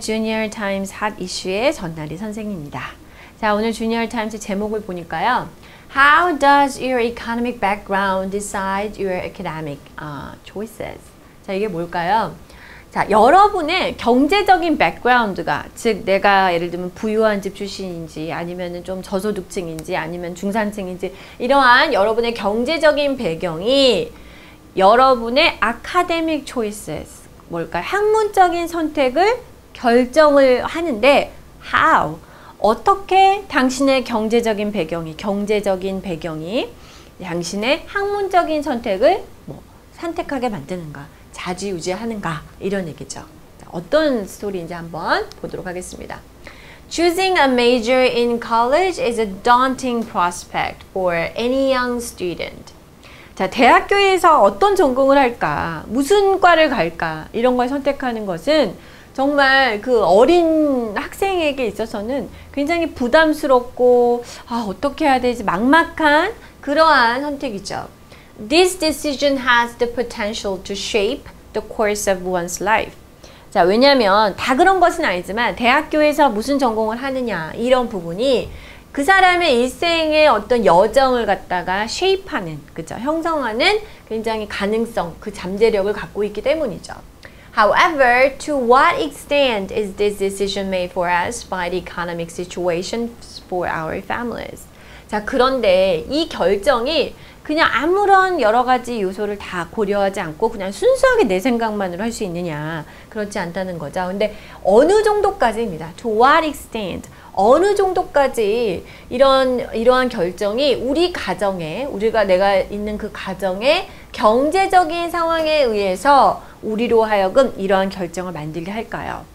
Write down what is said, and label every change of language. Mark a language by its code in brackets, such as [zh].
[ko] 주니어 타임스 핫 이슈의 전나리 선생님입니다. 자, 오늘 주니어 타임스 제목을 보니까요. [en] How does your economic background decide your academic choices? [ko] 자, 이게 뭘까요? 자, 여러분의 경제적인 백그라운드가, 즉 내가 예를 들면 부유한 집 출신인지 아니면은 좀 저소득층인지 아니면 중산층인지 이러한 여러분의 경제적인 배경이 여러분의 [en] academic choices, [ko] 뭘까요? 학문적인 선택을 결정을 하는데 how? 어떻게 당신의 경제적인 배경이, 당신의 학문적인 선택을 뭐 선택하게 만드는가? 자지우지하는가? 이런 얘기죠. 어떤 스토리인지 한번 보도록 하겠습니다. [en] Choosing a major in college is a daunting prospect for any young student. [ko] 자, 대학교에서 어떤 전공을 할까, 무슨 과를 갈까, 이런 걸 선택하는 것은 정말 그 어린 학생에게 있어서는 굉장히 부담스럽고, 아, 어떻게 해야 되지? 막막한 그러한 선택이죠. [en] This decision has the potential to shape the course of one's life. [ko] 자, 왜냐면 다 그런 것은 아니지만 대학교에서 무슨 전공을 하느냐 이런 부분이 그 사람의 일생의 어떤 여정을 갖다가 쉐입하는, 그죠? 형성하는 굉장히 가능성, 그 잠재력을 갖고 있기 때문이죠. [en] However, to what extent is this decision made for us by the economic situation for our families? [ko] 자, 그런데 이 결정이 그냥 아무런 여러 가지 요소를 다 고려하지 않고 그냥 순수하게 내 생각만으로 할 수 있느냐, 그렇지 않다는 거죠. 근데 어느 정도까지입니다. [en] To what extent? [ko] 어느 정도까지 이러한 결정이 우리 가정에, 우리가 내가 있는 그 가정의 경제적인 상황에 의해서 우리로 하여금 이러한 결정을 만들게 할까요?